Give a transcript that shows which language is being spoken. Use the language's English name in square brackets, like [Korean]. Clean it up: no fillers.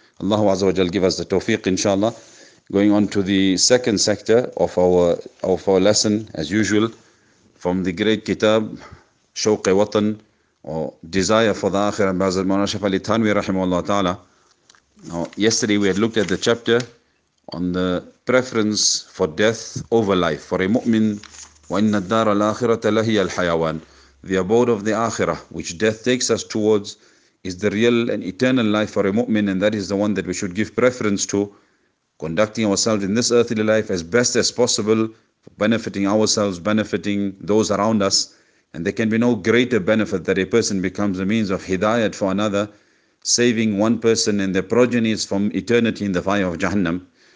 [English] Allah Azza wa Jal give us the tawfiq, inshallah. Going on to the second sector of our lesson, as usual, from the great kitab, Shawq-e Watan, or Desire for the Akhirah, by Hazrat Mawlana Shafi Ali Thanwi, rahimahullah ta'ala. Now, yesterday we had looked at the chapter on the preference for death over life. For a mu'min, [Arabic] وَإِنَّ الدَّارَ الْآخِرَةَ لَهِيَ الْحَيَوَانِ. [English] The abode of the Akhirah, which death takes us towards, is the real and eternal life for a mu'min, and that is the one that we should give preference to, conducting ourselves in this earthly life as best as possible, benefiting ourselves, benefiting those around us. And there can be no greater benefit that a person becomes a means of hidayat for another, saving one person and their progenies from eternity in the fire of Jahannam.